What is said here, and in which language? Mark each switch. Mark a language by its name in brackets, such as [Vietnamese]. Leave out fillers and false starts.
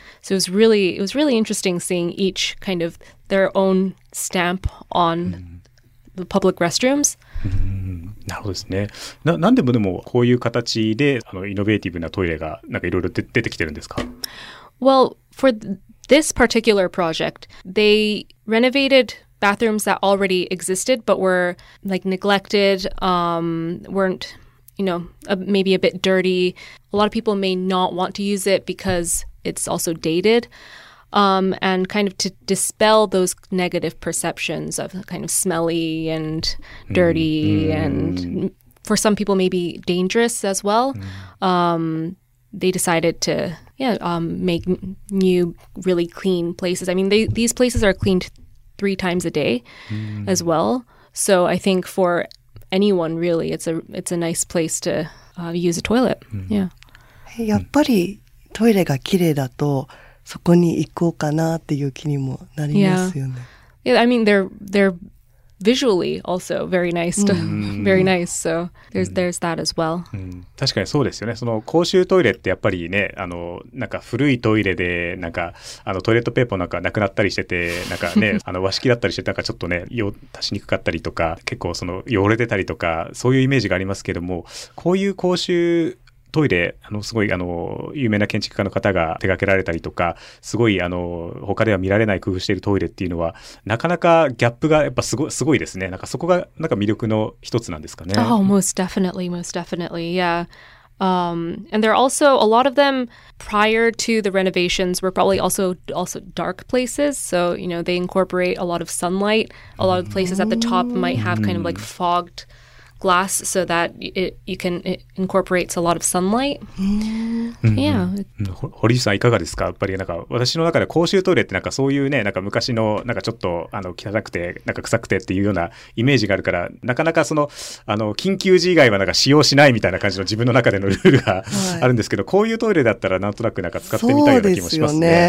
[English] So it was really interesting seeing each kind of their own stamp on the public restrooms. [Japanese] なるほどですね。なんでもこういう形でイノベーティブなトイレがなんかいろいろ出てきてるんですか？ [English] Well, for this particular project, they renovated bathrooms that already existed but were neglected, weren't, you know, maybe a bit dirty. A lot of people may not want to use it because it's also dated. And kind of to dispel those negative perceptions of kind of smelly and dirty and for some people maybe dangerous as well, they decided to make new really clean places. I mean, these places are cleaned 3 times a day as well. So I think for anyone really, it's a nice place to use a toilet. Yeah. [Japanese] やっぱりトイレが綺麗だとそこに行こうかなっていう気にもなりますよね。 [English] I mean they're visually also very nice to, very nice, so there's that as well. [Japanese] 確かにそうですよね。その公衆トイレってやっぱりね、なんか古いトイレでなんかトイレットペーパーなんかなくなったりしてて、なんかね和式だったりしてて、なんかちょっとね用足しにくかったりとか、結構その汚れてたりとか、そういうイメージがありますけども、こういう公衆トイレ、すごい有名な建築家の方が手掛けられたりとか、すごい他では見られない工夫しているトイレっていうのは、なかなかギャップがやっぱすごいですね。なんかそこがなんか魅力の一つなんですかね。 [English] Oh, most definitely, most definitely, yeah. And there are also a lot of them prior to the renovations were probably also dark places. So, you know, they incorporate a lot of sunlight. A lot of places at the top might have kind of like foggedglass so that it incorporates a lot of sunlight. Yeah. [Japanese] 堀内さんいかがですか。やっぱりなんか私の中で公衆トイレってなんかそういうね、なんか昔のなんかちょっと汚くてなんか臭くてっていうようなイメージがあるから、なかなかその緊急時以外はなんか使用しないみたいな感じの自分の中でのルールがあるんですけど、こういうトイレだったらなんとなくなんか使ってみたいような気もしますね。